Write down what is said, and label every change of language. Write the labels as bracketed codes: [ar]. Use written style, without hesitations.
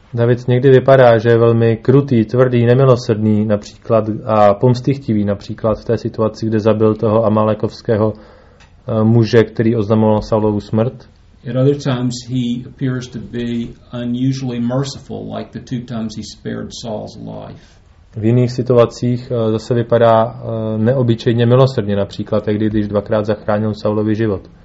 [cs] David někdy vypadá, že je velmi krutý, tvrdý, nemilosrdný například a pomstychtivý například v té situaci, kde zabil toho Amalekovského muže, který oznamoval Saulovu smrt. [en] At other times he appears to be unusually merciful, like the two times he spared Saul's life. [cs] V jiných situacích zase vypadá neobyčejně milosrdně, například tehdy, když dvakrát zachránil Saulovi život.